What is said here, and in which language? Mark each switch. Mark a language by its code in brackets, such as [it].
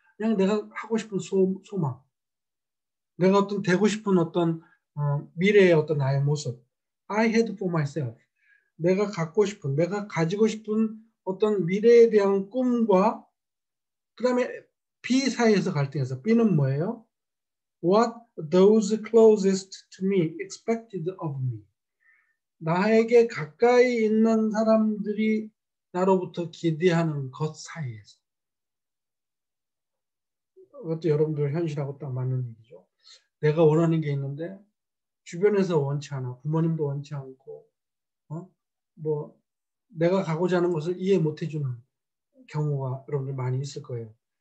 [ko] 그냥 내가 하고 싶은 소망. 내가 어떤 되고 싶은 어떤 미래의 어떤 나의 모습. [en] I had for myself. [ko] 내가 갖고 싶은, 내가 가지고 싶은 어떤 미래에 대한 꿈과 그 다음에 B 사이에서 갈등해서 B는 뭐예요? [en] What those closest to me expected of me. [ko] 나에게 가까이 있는 사람들이 나로부터 기대하는 것 사이에서. 그것도 여러분들 현실하고 딱 맞는 얘기죠. 내가 원하는 게 있는데 주변에서 원치 않아. 부모님도 원치 않고 뭐 내가 가고자 하는 것을 이해 못해주는 경우가 여러분들 많이 있을 거예요.